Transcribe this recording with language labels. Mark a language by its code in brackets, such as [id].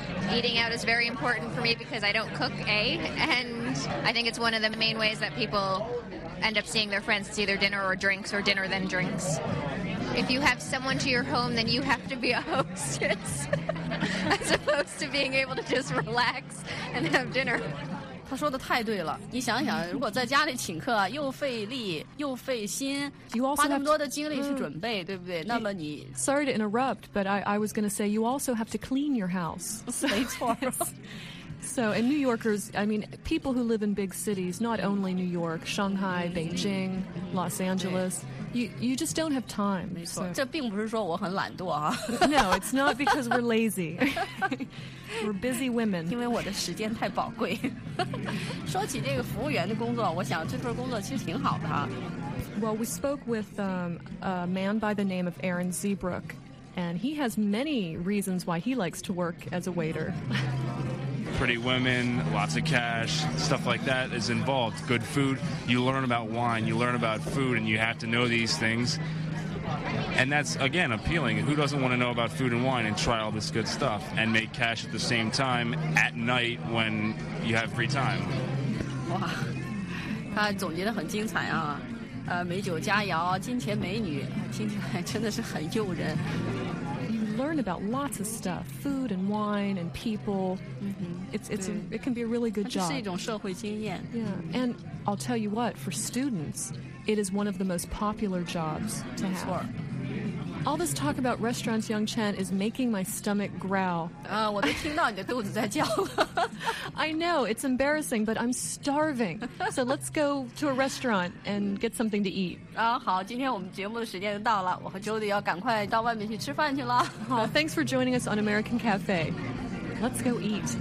[en] Eating out is very important for me because I don't cook, and I think it's one of the main ways that people... end up seeing their friends. It's either dinner or drinks or dinner then drinks. If you have someone to your home, then you have to be a hostess as opposed to being able to just relax and have dinner. [zh] 他说的太对了，你想想，如果在家里请客，又费力又费心，花那么多的精力去准备，对不对？那么你 [en] Sorry to interrupt, but I was going to say you also have to clean your house. [zh] 没错。 [en] So, and New Yorkers, I mean, people who live in big cities, not only New York, Shanghai, Beijing, Los Angeles, you just don't have time. [zh] 没错，这并不是说我很懒惰啊。 [en] No, it's not because we're lazy. We're busy women. [zh] 因为我的时间太宝贵。说起这个服务员的工作，我想这份工作其实挺好的啊。 [en] Well, we spoke with a man by the name of Aaron Zeebrook, and he has many reasons why he likes to work as a waiter. Pretty women, lots of cash, stuff like that is involved. Good food. You learn about wine, you learn about food, and you have to know these things. And that's, again, appealing. Who doesn't want to know about food and wine and try all this good stuff and make cash at the same time at night when you have free time? [zh] Wow, 他总结得很精彩啊。美酒佳肴，金钱美女，听起来真的是很诱人。 [en] Learn about lots of stuff, food and wine and people. Mm-hmm. It can be a really good job. [zh] 它是一种社会经验。 [en] Yeah. And I'll tell you what, for students, it is one of the most popular jobs to have. [zh] 没错。 [en] All this talk about restaurants, Yangchen, is making my stomach growl. [zh] 我都听到你的肚子在叫了。 [en] I know, it's embarrassing, but I'm starving. So let's go to a restaurant and get something to eat. [zh] 好，今天我们节目的时间就到了，我和 Jody 要赶快到外面去吃饭去了。 [en] 好，thanks for joining us on American Cafe. Let's go eat.